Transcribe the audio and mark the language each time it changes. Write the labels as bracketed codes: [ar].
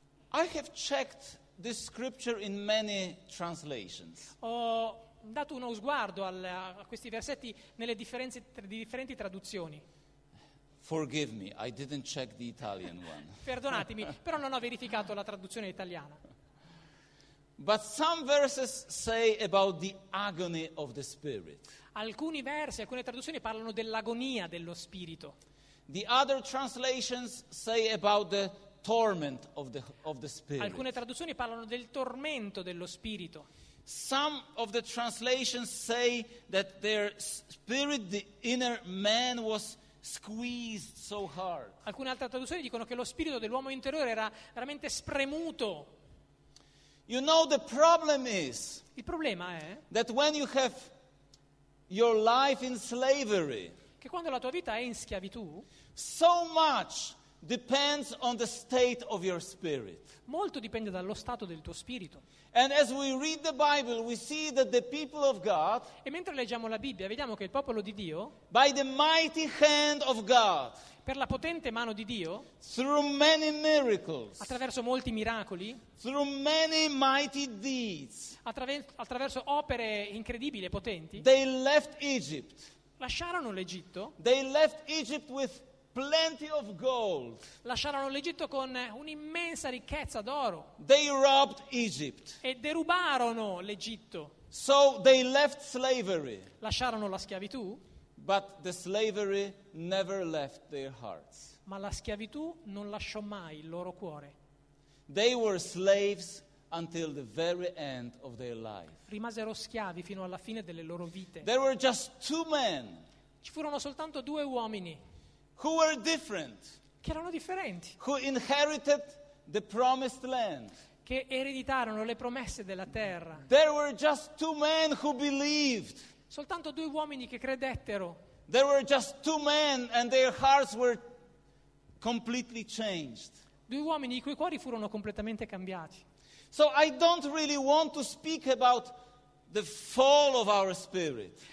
[en] I have checked this scripture in many translations. [it] Ho dato uno sguardo a questi versetti nelle differenti traduzioni. [en] Forgive me, I didn't check the Italian one. [it] Perdonatemi, però non ho verificato la traduzione italiana. [en] But some verses say about the agony of the spirit. [it] Alcuni versi, alcune traduzioni parlano dell'agonia dello spirito. [en] The other translations say about the torment of the spirit. [it] Alcune traduzioni parlano del tormento dello spirito. [en] Some of the translations say that their spirit, the inner man, was squeezed so hard. [it] Alcune altre traduzioni dicono che lo spirito dell'uomo interiore era veramente spremuto. [en] You know the problem is. [it] Il problema è [en] that when you have your life in slavery. [it] Che quando la tua vita è in schiavitù. [en] So much depends on the state of your spirit. [it] Molto dipende dallo stato del tuo spirito. [en] And as we read the Bible, we see that the people of God, [it] e mentre leggiamo la Bibbia, vediamo che il popolo di Dio, [en] by the mighty hand of God, [it] per la potente mano di Dio, [en] through many miracles, [it] attraverso molti miracoli, [en] through many mighty deeds, [it] attraverso opere incredibili e potenti, [en] they left Egypt. [it] Lasciarono l'Egitto. [en] They left Egypt with plenty of gold. [it] Lasciarono l'Egitto con un'immensa ricchezza d'oro. [en] They robbed Egypt. [it] E derubarono l'Egitto. [en] So they left slavery. [it] Lasciarono la schiavitù. [en] But the slavery never left their hearts. [it] Ma la schiavitù non lasciò mai il loro cuore. [en] They were slaves until the very end of their life. [it] Rimasero schiavi fino alla fine delle loro vite. [en] There were just two men. [it] Ci furono soltanto due uomini. [en] Who were different? [it] Che erano differenti. [en] Who inherited the promised land? [it] Che ereditarono le promesse della terra. [en] There were just two men who believed. [it] Soltanto due uomini che credettero. [en] There were just two men and their hearts were completely changed. [it] Due uomini i cui cuori furono completamente cambiati. [en] So I don't really want to speak about the fall of our spirit.